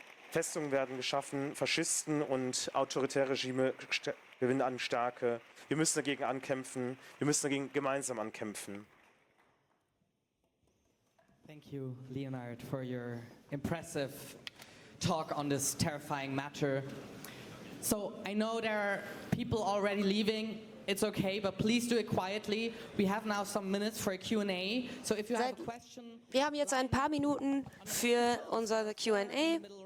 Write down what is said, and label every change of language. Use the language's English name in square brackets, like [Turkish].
[German] Festungen werden geschaffen, Faschisten und autoritäre Regime gewinnen an Stärke. Wir müssen dagegen ankämpfen, wir müssen dagegen gemeinsam ankämpfen. [English] Thank you, Leonard, for your impressive talk on this terrifying matter. So, I know there are people already leaving. It's okay, but please do it quietly. We have now some minutes for a Q&A. So if you have a question, [German] wir haben jetzt ein paar Minuten für unser Q&A.